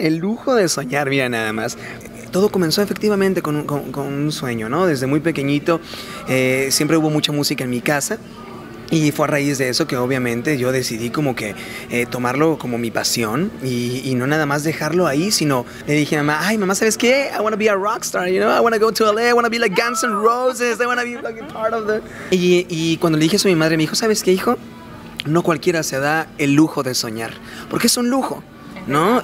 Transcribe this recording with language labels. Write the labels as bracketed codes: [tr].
[es] El lujo de soñar, mira nada más. Todo comenzó efectivamente con un sueño, ¿no? Desde muy pequeñito siempre hubo mucha música en mi casa. Y fue a raíz de eso que obviamente yo decidí como que tomarlo como mi pasión y no nada más dejarlo ahí, sino le dije a mamá, ay mamá, ¿sabes qué? [en] I want to be a rock star, you know, I want to go to LA, I want to be like Guns N' Roses, I want to be like part of the... [es] Y cuando le dije eso a mi madre, me dijo, ¿sabes qué, hijo? No cualquiera se da el lujo de soñar, porque es un lujo, ¿no?